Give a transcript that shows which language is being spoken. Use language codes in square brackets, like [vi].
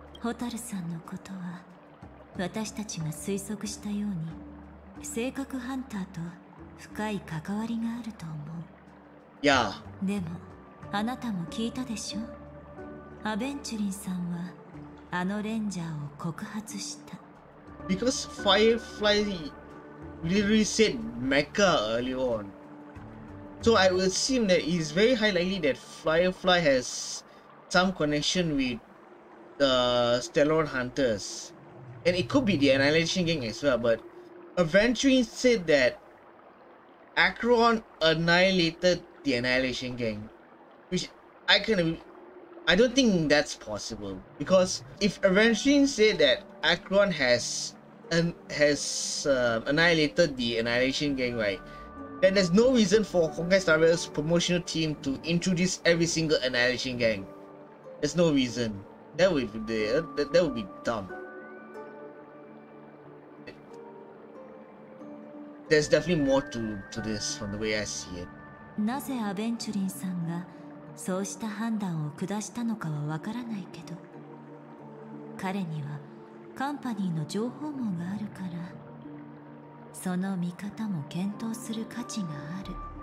[ja] ホタルさんのことは私たちが推測したように性格ハンターと深い関わりがあると思う。いや、でもあなたも聞いたでしょ。アベンチュリンさんはあのレンジャーを告発した。 [en] Because Firefly literally said Mecha early on, so I would assume that it's very high likely that Firefly has some connection with the Stellar HuntersAnd it could be the Annihilation Gang as well, but Aventurine said that Akron annihilated the Annihilation Gang, which I don't think that's possible, because if Aventurine said that Akron has annihilated the Annihilation Gang, right, then there's no reason for Conquest Arrow's promotional team to introduce every single Annihilation Gang. There's no reason. That would be dumb. There's definitely more to this from the way I see it. [ja] なぜアベンチュリンさんがそうした判断を下したのかはわからないけど、彼にはカンパニーの情報網があるから、その見方も検討する価値がある。